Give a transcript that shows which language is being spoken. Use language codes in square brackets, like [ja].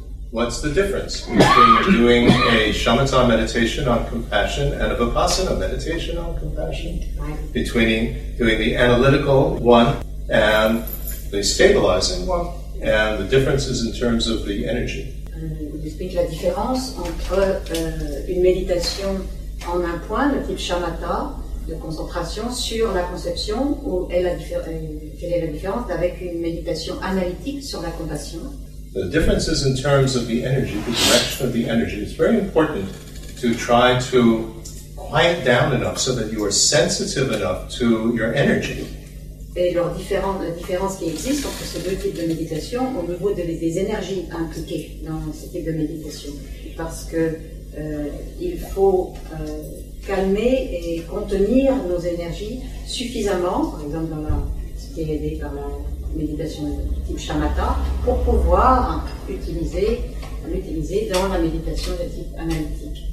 [en] What's the difference between doing a shamatha meditation on compassion and a vipassana meditation on compassion? Between doing the analytical one and the stabilizing one, and the differences in terms of the energy. [fr] Vous expliquez la différence entre une méditation en un point, le type shamatha, de concentration sur la conception, ou quelle est la différence avec une méditation analytique sur la compassion? [en] The differences in terms of the energy, the direction of the energy, it's very important to try to quiet down enough so that you are sensitive enough to your energy. [fr] Et leurs différences qui existent entre ces deux types de méditation au niveau des énergies impliquées dans ce type de méditation. Parce que il faut calmer et contenir nos énergies suffisamment, par exemple dans ce qui est aidé par la méditation type shamatha, pour pouvoir l'utiliser dans la méditation de type analytique.